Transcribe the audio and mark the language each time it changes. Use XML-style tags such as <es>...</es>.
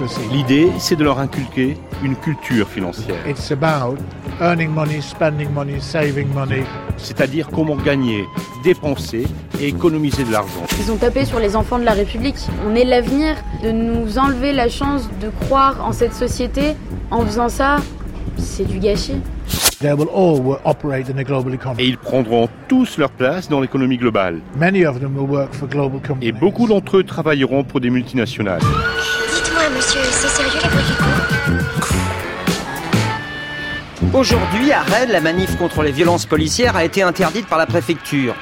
<fr>L'idée, c'est de leur inculquer une culture financière.</fr> <en>It's about earning money, spending money, saving money.</en> <fr>C'est-à-dire comment gagner, dépenser et économiser de l'argent. Ils ont tapé sur les enfants de la République. On est l'avenir. De nous enlever la chance de croire en cette société, en faisant ça, c'est du gâchis.</fr> <en>They will all operate in a global economy.</en> <fr>Et ils prendront tous leur place dans l'économie globale.</fr> <en>Many of them will work for global companies.</en> <fr>Et beaucoup d'entre eux travailleront pour des multinationales. Dites-moi, monsieur, c'est sérieux les bruits qui courent ? Aujourd'hui, à Rennes, la manif contre les violences policières a été interdite par la préfecture.</fr>